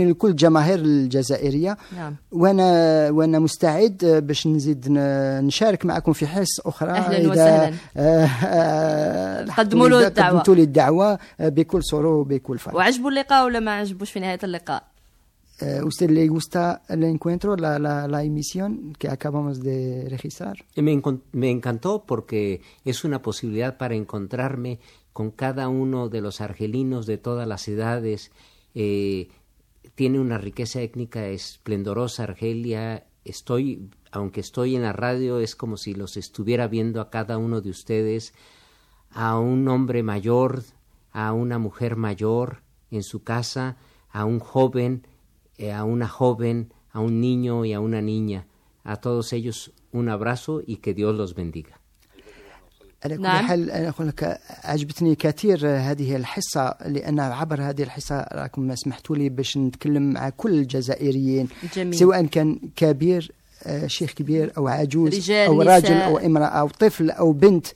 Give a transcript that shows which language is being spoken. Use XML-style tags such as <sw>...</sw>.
<ar>لكل جماهير الجزائرية. نعم. وأنا مستعد باش نزيد نشارك معكم في حس أخرى. أهلا وسهلا، قدموا له الدعوة، قدموا لي الدعوة بكل سرور وبكل فرح. وعجبوا اللقاء ولا ما عجبوش في نهاية اللقاء؟</ar> <es>¿Usted le gusta el encuentro, la emisión que acabamos de registrar? Me encantó, porque es una posibilidad para encontrarme con cada uno de los argelinos de todas las edades. Tiene una riqueza étnica esplendorosa Argelia. Aunque estoy en la radio, es como si los estuviera viendo a cada uno de ustedes, a un hombre mayor, a una mujer mayor en su casa, a un joven, a una joven, a un niño y a una niña. A todos ellos un abrazo y que Dios los bendiga.</es> <ar>على كل حال أنا أقول لك عجبتني كثير هذه الحصة، لأن عبر هذه الحصة راكم سمحتوا لي باش نتكلم مع كل الجزائريين. جميل. سواء كان كبير شيخ كبير أو عجوز رجال أو نساء. راجل أو امرأة أو طفل أو بنت.</ar>